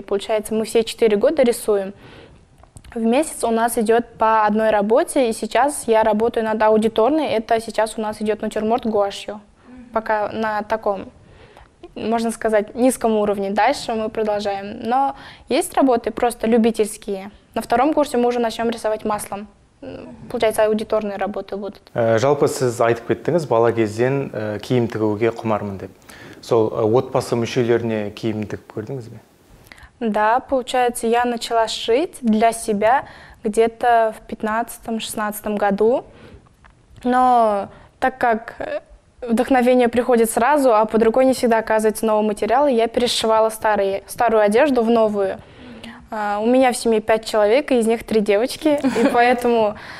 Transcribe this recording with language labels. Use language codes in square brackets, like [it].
[ru] Получается, мы все 4 года рисуем. В месяц у нас идет по одной работе, и сейчас я работаю над аудиторной. Это сейчас у нас идет натюрморт гуашью. Пока на таком, можно сказать, низком уровне. Дальше мы продолжаем. Но есть работы просто любительские. На втором курсе мы уже начнем рисовать маслом. Получается, аудиторные работы будут. [kk] Жалпы, сіз айтып кеттіңіз, бала кезден киім тігуге құмармын деп. Сол отбасы мүшелеріне киім тігіп көрдіңіз бе? [ru] Да, получается, я начала шить для себя где-то в 15-16 году. Но так как вдохновение приходит сразу, а под рукой не всегда оказывается новый материал, я перешивала старую одежду в новую. У меня в семье 5 человек, из них 3 девочки, и поэтому